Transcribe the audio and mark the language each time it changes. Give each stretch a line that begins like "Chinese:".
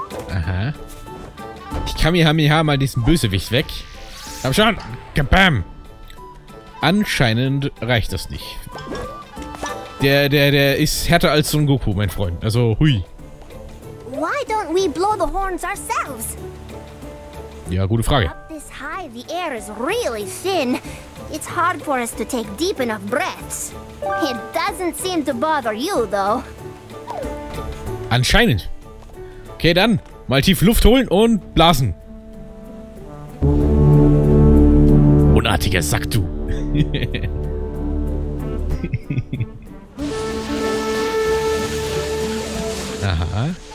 German: Aha. Ich kann mir mal diesen Bösewicht weg. Komm schon. Kabam. Anscheinend reicht das nicht. Der ist härter als Son Goku, mein Freund. Also, hui.
English: Why don't we blow the horns ourselves?
German: Ja, gute Frage.
English: Up this high, the air is really thin. It's hard for us to take deep enough breaths. It doesn't seem to bother you, though.
German: Anscheinend. Okay, dann. Mal tief Luft holen und blasen. Unartiger Sack, du. Aha.